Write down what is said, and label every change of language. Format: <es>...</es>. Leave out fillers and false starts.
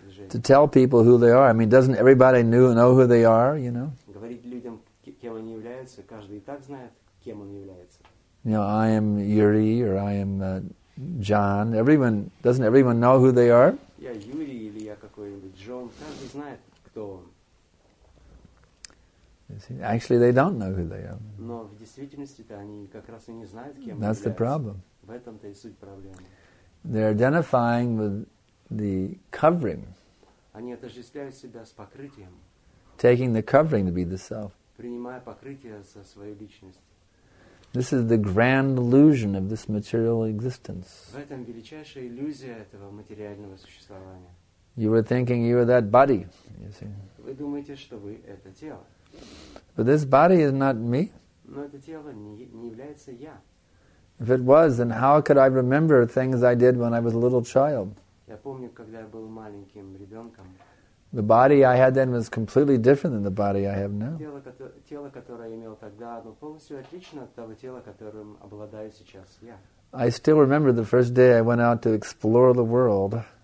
<en>To tell people who they are. I mean, doesn't everybody know who they are, you know?</en> <ru>Говорить людям, кем они являются, каждый и так знает, кем он является.</ru> <en>You know, I am Yuri or I am John. Doesn't everyone know who they are?</en> <ru>Я Юрий или я какой-нибудь Джон. Каждый знает, кто он.</ru> <en>Actually, they don't know who they are.</en> <ru>Но в действительности-то они как раз и не знают, кем они являются.</ru> <en>That's the problem.</en> <ru>В этом-то и суть проблемы.</ru> <en>They're identifying with the covering.</en> <ru>Они отождествляют себя с покрытием.</ru> <en>Taking the covering to be the self.</en> <ru>Принимая покрытие за свою личность.</ru> <en>This is the grand illusion of this material existence.</en> <ru>В этом величайшая иллюзия этого материального существования.</ru> <en>You were thinking you were that body, you see.</en> <ru>Вы думаете, что вы это тело.</ru> <en>But this body is not me.</en> <ru>Но это тело не является я.</ru> <en>If it was, then how could I remember things I did when I was a little child?</en> <ru>Я помню, когда я был маленьким ребенком.</ru> <en>The body I had then was completely different than the body I have now.</en> <ru>Тело, которое я имел тогда, оно полностью отлично от того тела, которым обладаю сейчас я.</ru> <en>I still remember the first day I went out to explore the world.</en>